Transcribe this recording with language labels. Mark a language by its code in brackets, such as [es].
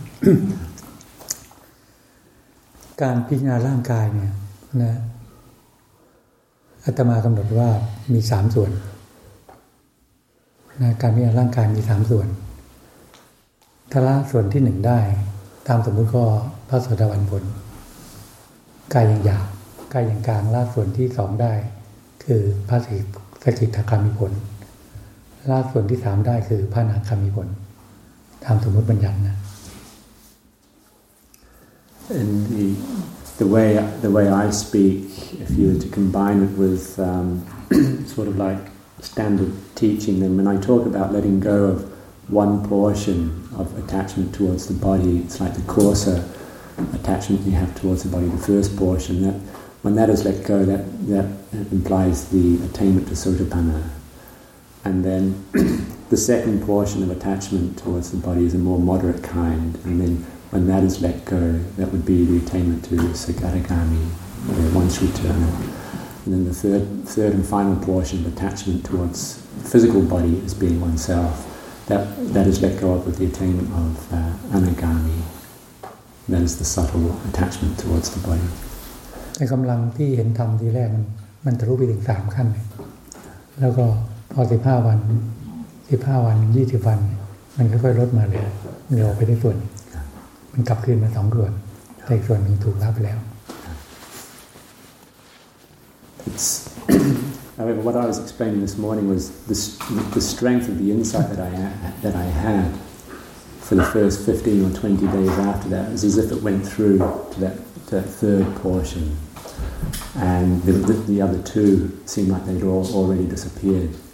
[th] การพิจารณาร่างกายเนี่ยนะอาตมากำหนดว่ามี3 ส่วนนะการพิจารณาร่างกายมี3 ส่วนถ้าละส่วนที่1ได้ตามสมมุติก็พระโสดาบันผลกายอย่างหยาบกายอย่างกลางละส่วนที่2ได้คือพระสกิทาคามีผลละส่วนที่3ได้คือพระอนาคามีผลตามสมมุติบัญญัตินะ [en] and the way I speak if you were to combine it with sort of like standard teaching then when I talk about letting go ofone portion of attachment towards the body, it's like the coarser attachment you have towards the body, the first portion, that when that is let go, that implies the attainment to sotapanna. And then the second portion of attachment towards the body is a more moderate kind, and then when that is let go, that would be the attainment to sakadagami, the once returner. And then the third and final portion of attachment towards the physical body as being oneself,That is let go of with the attainment of anagami. That is the subtle attachment towards the body. [th] แต่กำลังที่เห็นธรรมทีแรกมันทะลุไปถึง3 ขั้นเลยแล้วก็พอ15 วัน 15 วัน20 วันมันค่อยๆลดมาเลยเหลือไปได้ส่วนมันกลับคืนมา2 ส่วนแต่ส่วนหนึ่งถูกรับไปแล้ว [en] It's However, what I was explaining this morning was the strength of the insight that I had for the first 15 or 20 days after that is as if it went through to that third portion, and the other two seemed like they'd all already disappeared.